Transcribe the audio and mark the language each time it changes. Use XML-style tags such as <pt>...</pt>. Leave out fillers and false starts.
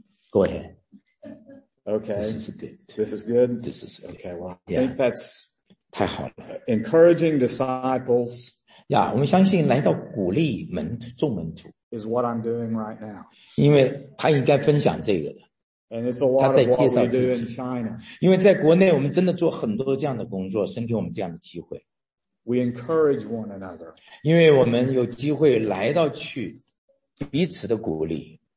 <en>Go ahead. Okay. This is good. This is good. This is okay. Well, I think that's</en> <zh>太好了。</zh> <en>Encouraging disciples.</en> <zh>Yeah, 我们相信来到鼓励门徒众门徒</zh> <en>is what I'm doing right now.</en> <zh>因为他应该分享这个的。</zh> <en>And it's a lot of what we do in China.</en> <zh>因为在国内我们真的做很多这样的工作, 神给我们这样的机会。</zh> <en>We encourage one another.</en> <zh>因为我们有机会来到去, 彼此的鼓励。</zh>